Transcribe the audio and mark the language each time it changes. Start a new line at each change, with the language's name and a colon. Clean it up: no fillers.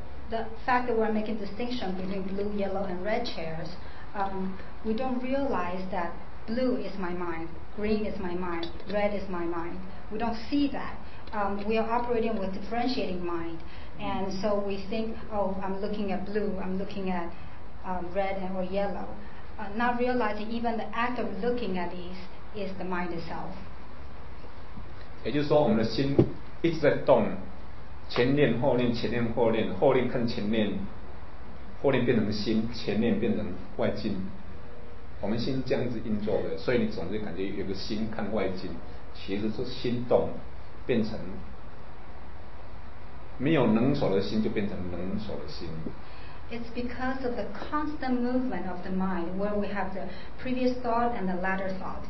English: The fact that we're making distinction between blue, yellow, and red chairs, we don't realize that blue is my mind, green is my mind, red is my mind. We don't see that. We are operating with differentiating mind, and so we think, oh, I'm looking at blue, I'm looking at red or yellow, not realizing even the act of looking at these. Is the mind itself.
Chinese: 也就是说，我们的心一直在动，前念后念，前念后念，后念看前念，后念变成心，前念变成外境。我们心这样子运作的，所以你总是感觉有个心看外境，其实是心动，变成没有能守的心，就变成能守的心。
English: It's because of the constant movement of the mind, where we have the previous thought and the latter thought.